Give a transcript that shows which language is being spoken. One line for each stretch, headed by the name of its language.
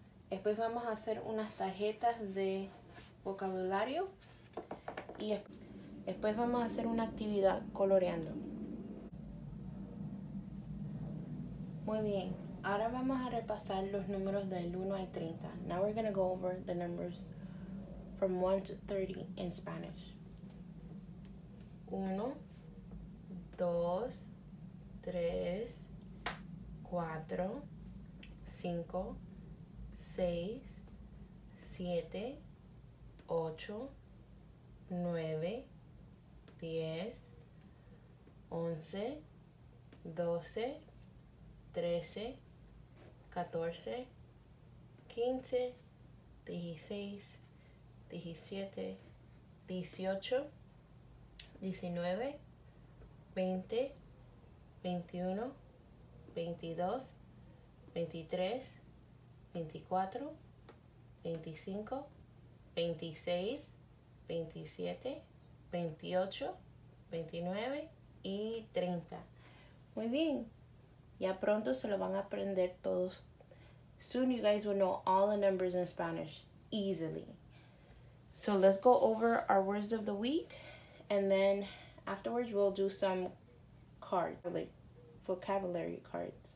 Spanish: Después vamos a hacer unas tarjetas de vocabulario. Y después vamos a hacer una actividad coloreando. Muy bien. Ahora vamos a repasar los números del 1 al 30.
English: Now we're going to go over the numbers from 1 to 30 in Spanish.
Spanish: 1, 2, 3, 4, 5, 6, 7, 8, 9, 10, 11, 12, 13, 14, 15, 16, 17, 18, 19, 20, 21, 22, 23, 24, 25, 26, 27, 28, 29 y 30. Muy bien. Ya pronto se lo van a aprender todos.
English: Soon you guys will know all the numbers in Spanish easily. So let's go over our words of the week. And then afterwards we'll do some cards, like vocabulary cards.